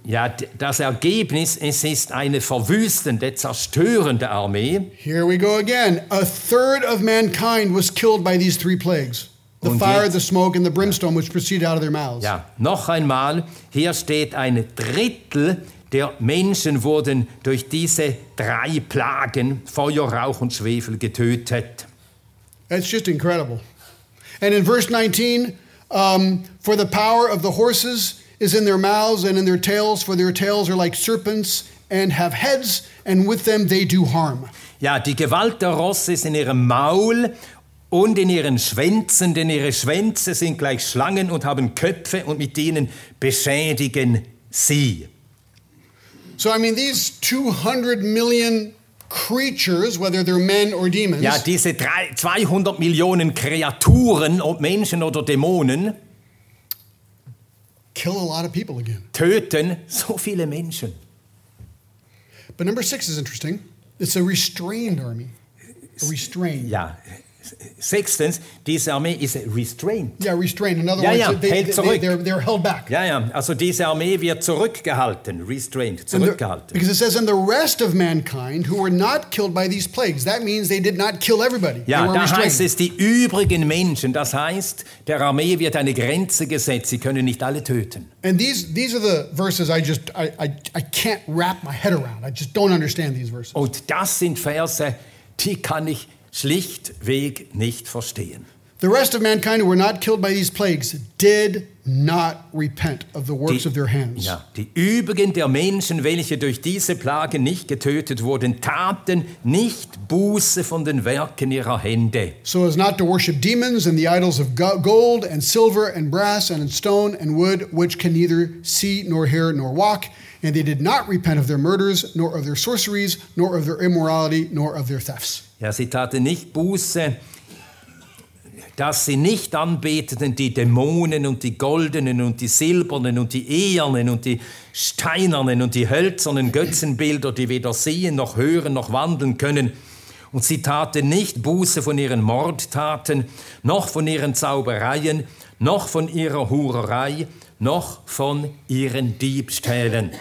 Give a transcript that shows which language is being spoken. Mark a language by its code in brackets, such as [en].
[de] Ja, das Ergebnis, es ist eine verwüstende, zerstörende Armee. [en] Here we go again. A third of mankind was killed by these three plagues. The fire, the smoke and the brimstone, which proceeded out of their mouths. [de] Ja, noch einmal, hier steht ein Drittel der Menschen wurden durch diese drei Plagen, Feuer, Rauch und Schwefel, getötet. [en] It's just incredible. And in verse 19, for the power of the horses is in their mouths and in their tails, for their tails are like serpents and have heads, and with them they do harm. [de] Ja, die Gewalt der Rosse ist in ihrem Maul und in ihren Schwänzen, denn ihre Schwänze sind gleich Schlangen und haben Köpfe und mit ihnen beschädigen sie. [en] So, I mean, these 200 million creatures, whether they're men or demons. [de] Ja, diese 200 Millionen Kreaturen, ob Menschen oder Dämonen, [en] kill a lot of people again. [de] Töten so viele Menschen. [en] But number six is interesting. It's a restrained army. A restrained. [de] Ja. Sechstens, diese Armee ist restrained. [en] Yeah, restrained. In other words, they're held back. [de] Ja, ja. Also diese Armee wird zurückgehalten, restrained, zurückgehalten. [en] The, because it says, and the rest of mankind who were not killed by these plagues, that means they did not kill everybody. [de] Ja, [en] they were [de] da heißt es, die übrigen Menschen, das heißt, der Armee wird eine Grenze gesetzt, sie können nicht alle töten. [en] And these are the verses I can't wrap my head around. I just don't understand these verses. [de] Und das sind Verse, die kann ich schlichtweg nicht verstehen. [en] The rest of mankind who were not killed by these plagues did not repent of the works of their hands. [de] Ja, die übrigen der Menschen, welche durch diese Plage nicht getötet wurden, taten nicht Buße von den Werken ihrer Hände. [en] So as not to worship demons and the idols of gold and silver and brass and in stone and wood, which can neither see nor hear nor walk. And they did not repent of their murders, nor of their sorceries, nor of their immorality, nor of their thefts. [de] Ja, sie taten nicht Buße, dass sie nicht anbeteten die Dämonen und die goldenen und die silbernen und die ehernen und die steinernen und die hölzernen Götzenbilder, die weder sehen noch hören noch wandeln können. Und sie taten nicht Buße von ihren Mordtaten, noch von ihren Zaubereien, noch von ihrer Hurerei, noch von ihren Diebstählen.